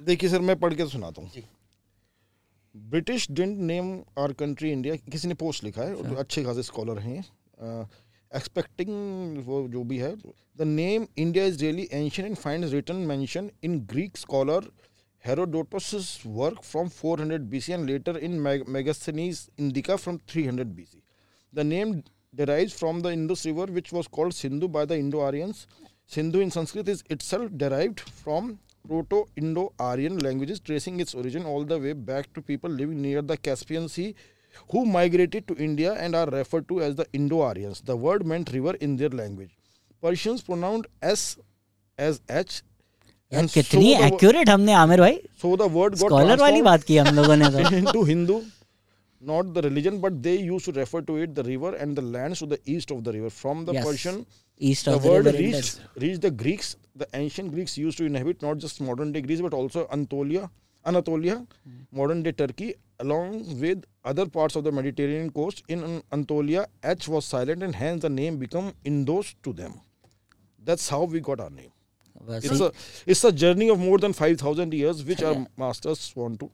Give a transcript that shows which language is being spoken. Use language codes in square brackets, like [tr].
[hi] देखिए सर मैं पढ़ के सुनाता हूँ [en] British didn't name our country India [hi] किसी ने पोस्ट लिखा है तो अच्छे खासे स्कॉलर हैं [en] Expecting वो जो भी है the name India is really ancient and find written mention in Greek scholar Herodotus' work from 400 BC and later in Megasthenes Indica from 300 BC. The name derives from the Indus River, which was called Sindhu by the Indo-Aryans. Sindhu in Sanskrit is itself derived from Proto-Indo-Aryan languages, tracing its origin all the way back to people living near the Caspian Sea who migrated to India and are referred to as the Indo-Aryans. The word meant river in their language. Persians pronounced S as H. [hi] कितनी accurate हमने आमिर भाई [en] scholar [hi] वाली बात की हम लोगों ने [en] To Hindu not the religion but they used to refer to it the river and the land to the east of the river from the Persian east of the world reach the Greeks the ancient Greeks used to inhabit not just modern day Greece but also Anatolia modern day Turkey along with other parts of the Mediterranean coast in Anatolia H was silent and hence the name become Indos to them that's how we got our name It's a journey of more than 5,000 years which our masters want to.